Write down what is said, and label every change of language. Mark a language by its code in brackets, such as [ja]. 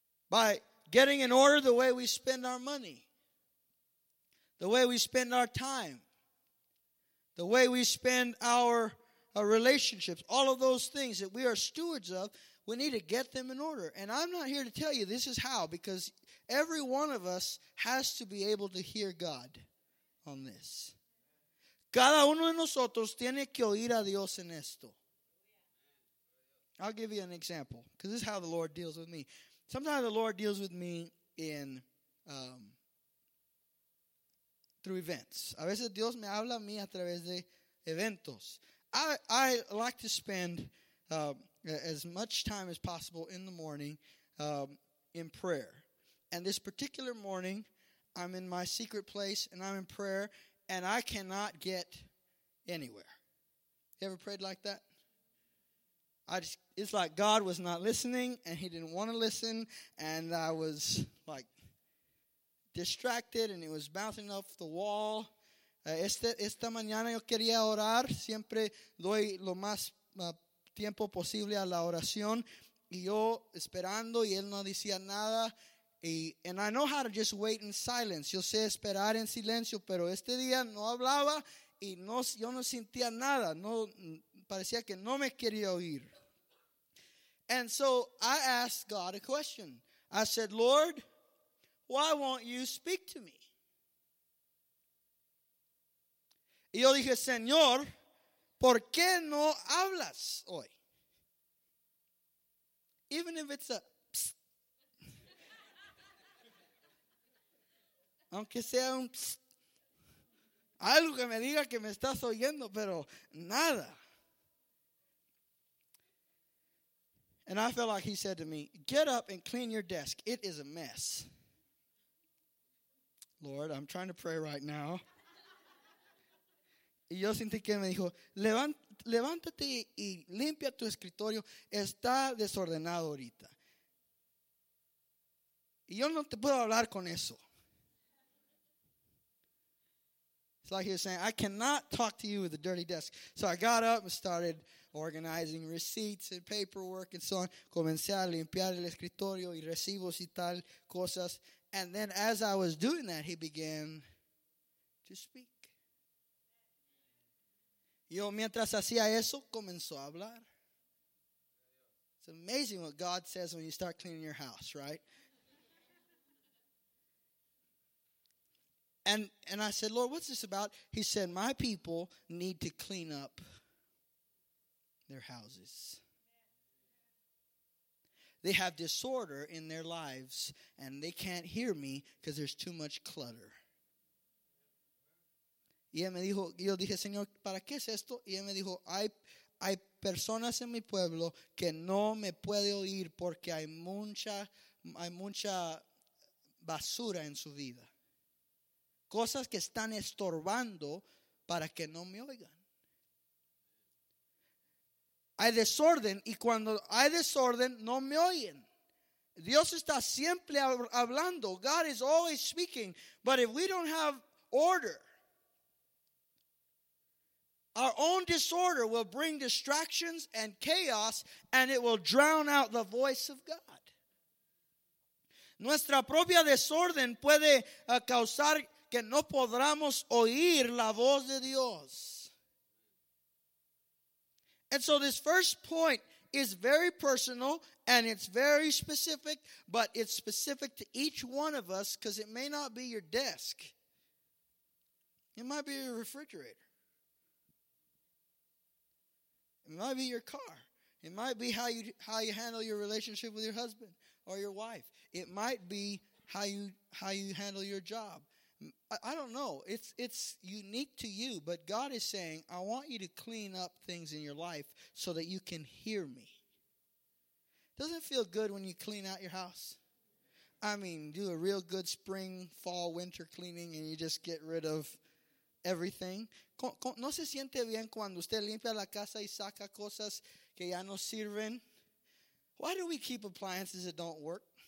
[en] By getting in order the way we spend our money, the way we spend our time, the way we spend our relationships, all of those things that we are stewards of, we need to get them in order. And I'm not here to tell you this is how, because every one of us has to be able to hear God on this. [es] Cada uno de nosotros tiene que oír a Dios en esto. [en] I'll give you an example, because this is how the Lord deals with me. Sometimes the Lord deals with me in through events. [es] A veces Dios me habla a mí a través de eventos. [en] I like to spend as much time as possible in the morning in prayer. And this particular morning, I'm in my secret place and I'm in prayer and I cannot get anywhere. You ever prayed like that? It's like God was not listening and he didn't want to listen. And I was like distracted and it was bouncing off the wall. [es] Esta mañana yo quería orar, siempre doy lo más tiempo posible a la oración, y yo esperando, y él no decía nada, [en] and I know how to just wait in silence, [es] yo sé esperar en silencio, pero este día no hablaba, y no, yo no sentía nada, no, parecía que no me quería oír. [en] And so I asked God a question. I said, Lord, why won't you speak to me? [es] Y yo dije, Señor, ¿por qué no hablas hoy? [en] Even if it's a psst. [es] Aunque sea un psst. Algo que me diga que me estás oyendo, pero nada. [en] And I felt like he said to me, get up and clean your desk. It is a mess. Lord, I'm trying to pray right now. [es] Y yo sentí que me dijo, levántate y limpia tu escritorio. Está desordenado ahorita. Y yo no te puedo hablar con eso. [en] It's like he was saying, I cannot talk to you with a dirty desk. So I got up and started organizing receipts and paperwork and so on. [es] Comencé a limpiar el escritorio y recibos y tal cosas. [en] And then as I was doing that, he began to speak. [es] Yo, mientras hacía eso, comenzó a hablar. [en] It's amazing what God says when you start cleaning your house, right? And I said, Lord, what's this about? He said, my people need to clean up their houses. They have disorder in their lives, and they can't hear me because there's too much clutter. [es] Y él me dijo, yo dije, Señor, ¿para qué es esto? Y él me dijo, hay personas en mi pueblo que no me puede oír porque hay mucha basura en su vida. Cosas que están estorbando para que no me oigan. Hay desorden y cuando hay desorden no me oyen. Dios está siempre hablando. [en] God is always speaking. But if we don't have order, our own disorder will bring distractions and chaos, and it will drown out the voice of God. [es] Nuestra propia desorden puede causar que no podamos oír la voz de Dios. [en] And so this first point is very personal, and it's very specific, but it's specific to each one of us because it may not be your desk. It might be your refrigerator. It might be your car. It might be how you handle your relationship with your husband or your wife. It might be how you handle your job. I don't know. It's unique to you, but God is saying, I want you to clean up things in your life so that you can hear me. Doesn't it feel good when you clean out your house? I mean, do a real good spring, fall, winter cleaning and you just get rid of everything. [es] ¿No se siente bien cuando usted limpia la casa y saca cosas que ya no sirven? [en] Why do we keep appliances that don't work?